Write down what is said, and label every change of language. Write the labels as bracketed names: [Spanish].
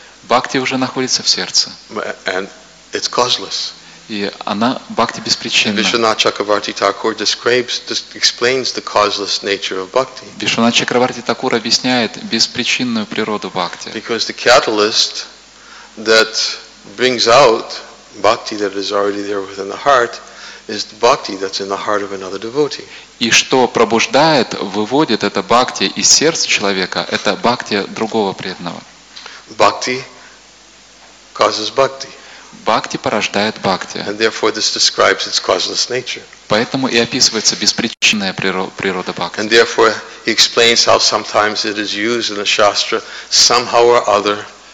[Russian] Бхакти уже находится в сердце. [English] And it's causeless. [Russian] И она бхакти беспричинна. [English] Вишванатха Чакраварти Такур describes, explains the causeless nature of bhakti. [Russian] Вишванатха Чакраварти Такур объясняет беспричинную природу бхакти. [English] Because the catalyst that brings out bhakti that is already there within the heart is the bhakti that's in the heart of another devotee. [Russian] И что пробуждает, выводит это бхакти из сердца человека, это бхакти другого преданного. [English] Bhakti causes bhakti. [Russian] Бхакти порождает бхакти. [English] And therefore this describes its causeless nature. [Russian] Поэтому и описывается беспричинная природа бхакти. [English] And therefore he explains how sometimes it is used in the shastra somehow or other.